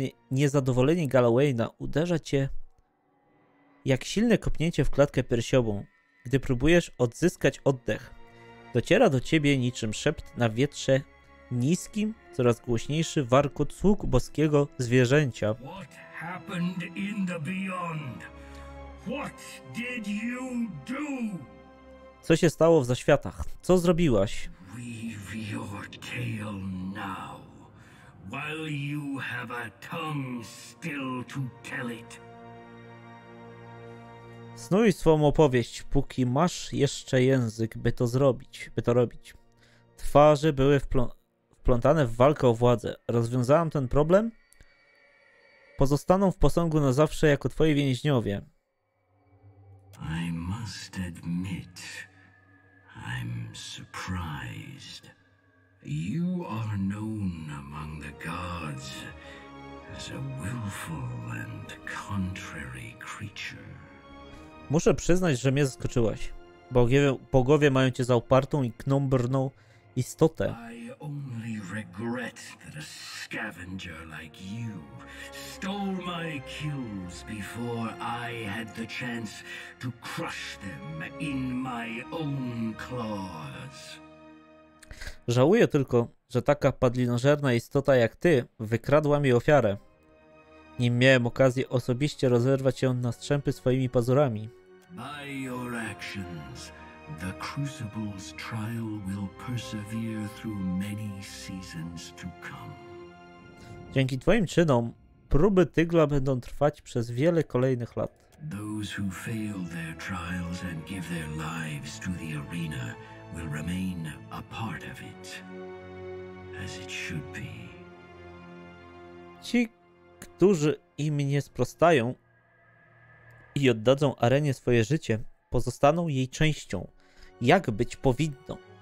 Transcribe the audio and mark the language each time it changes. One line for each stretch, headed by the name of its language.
Polish: Niezadowolenie Galloway'a uderza cię jak silne kopnięcie w klatkę piersiową, gdy próbujesz odzyskać oddech. Dociera do ciebie niczym szept na wietrze niskim, coraz głośniejszy warkot sług boskiego zwierzęcia.
English: What happened in the beyond? What did you do?
Polish: Co się stało w zaświatach? Co zrobiłaś?
English: Weave your tale now, while you have a tongue still to tell it.
Polish: Snuj swą opowieść, póki masz jeszcze język, by to robić. Twarze były wplątane w walkę o władzę. Rozwiązałam ten problem? Pozostaną w posągu na zawsze jako twoi więźniowie.
English: I must admit, I'm surprised. You are known among the gods as a willful and contrary creature.
Polish: Muszę przyznać, że mnie zaskoczyłaś. Bogowie mają cię za upartą i knombrną istotę.
English: I only regret that a scavenger like you stole my kills before I had the chance to crush them in my own claws.
Polish: Żałuję tylko, że taka padlinożerna istota jak ty wykradła mi ofiarę, nim miałem okazję osobiście rozerwać ją na strzępy swoimi pazurami.
English: By your actions, the Crucible's trial will persevere through many seasons to come.
Polish: Dzięki twoim czynom, próby tygla będą trwać przez wiele kolejnych lat.
English: Those who fail their trials and give their lives to the arena will remain a part of it, as it should be.
Polish: Ci, którzy im nie sprostają i oddadzą arenie swoje życie, pozostaną jej częścią. Jak być powinno?